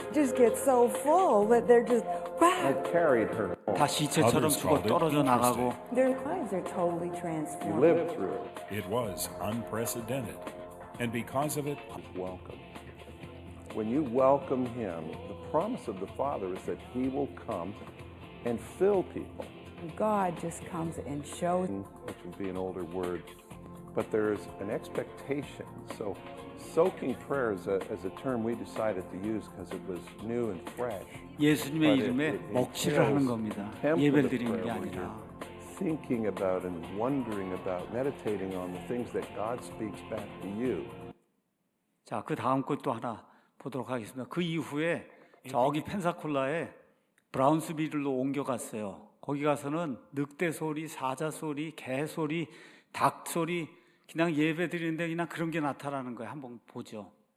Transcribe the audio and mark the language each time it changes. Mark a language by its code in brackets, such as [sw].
[en] Just get so full that they're just wow. I carried her. [ko] 다 시체처럼 죽어 떨어져 나가고. [en] Their lives are totally transformed. You lived through it. It was unprecedented, and because of it, welcome. When you welcome him, the promise of the Father is that he will come. And fill people. God just comes and shows. Which would be an older word, but there is an expectation. So, soaking prayer is a term we decided to use because it was new and fresh. [ko] 예수님의 이름에 먹칠을 하는 겁니다. 예배를 드리는 게 아니라. [en] Thinking about and wondering about, meditating on the things that God speaks back to you. [ko] 자, 그 다음 것도 하나 보도록 하겠습니다. 그 이후에 저기 펜사콜라에. 브라운스빌로 옮겨갔어요. 거기 가서는 늑대 소리, 사자 소리, 개 소리, 닭 소리 그냥 예배 드리는데 그냥 그런 게 나타나는 거예요. 한번 보죠.